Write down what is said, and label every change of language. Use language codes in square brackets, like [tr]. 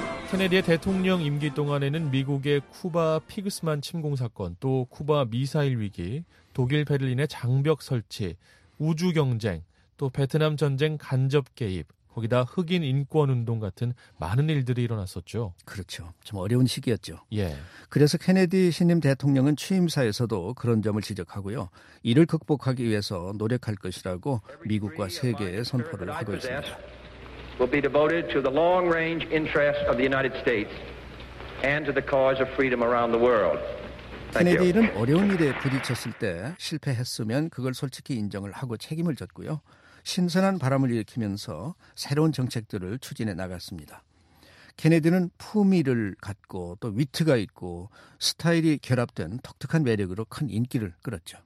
[ko] 케네디의 대통령 임기 동안에는 미국의 쿠바 피그스만 침공 사건, 또 쿠바 미사일 위기, 독일 베를린의 장벽 설치, 우주 경쟁, 또 베트남 전쟁 간접 개입, 거기다 흑인 인권 운동 같은 많은 일들이 일어났었죠. 그렇죠. 좀 어려운 시기였죠. 예. 그래서 케네디 신임 대통령은 취임사에서도 그런 점을 지적하고요. 이를 극복하기 위해서 노력할 것이라고 미국과 세계에 선포를 하고 있습니다. [en] Will be devoted to the long-range interests of the United States and to the cause of freedom around the world. [ko] 케네디는 어려운 일에 부딪혔을 때 실패했으면 그걸 솔직히 인정을 하고 책임을 졌고요. 신선한 바람을 일으키면서 새로운 정책들을 추진해 나갔습니다. 케네디는 품위를 갖고 또 위트가 있고 스타일이 결합된 독특한 매력으로 큰 인기를 끌었죠.